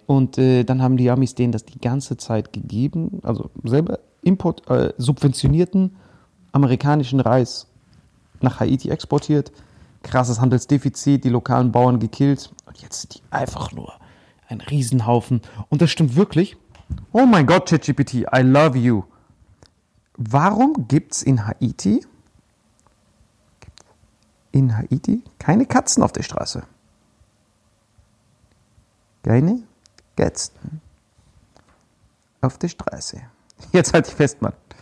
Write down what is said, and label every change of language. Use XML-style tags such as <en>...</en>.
<de>Und dann haben die Amis denen das die ganze Zeit gegeben, also selber subventionierten amerikanischen Reis nach Haiti exportiert, krasses Handelsdefizit, die lokalen Bauern gekillt und jetzt sind die einfach nur ein Riesenhaufen. Und das stimmt wirklich. Oh mein Gott, ChatGPT,</de> <en>I love you.</en> <de>Warum gibt's in Haiti keine Katzen auf der Straße? Keine Katzen auf der Straße. Jetzt halt dich fest, Mann.</de>